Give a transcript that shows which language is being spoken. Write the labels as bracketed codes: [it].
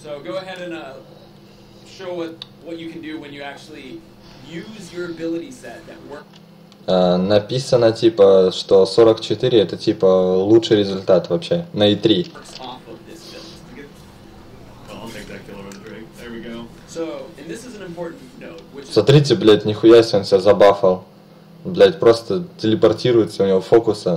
[en] So go ahead and show what you can do when you actually use your ability set that works. [ru] Написано, типа, что 44 это, типа, лучший результат вообще на E3. [en] Off of this build. Well, I'll take that killer on the drink. There we go. So, and this is an important note, which... [ru] Смотрите, блядь, нихуя себе он себя забафал. Блядь, просто телепортируется у него фокуса.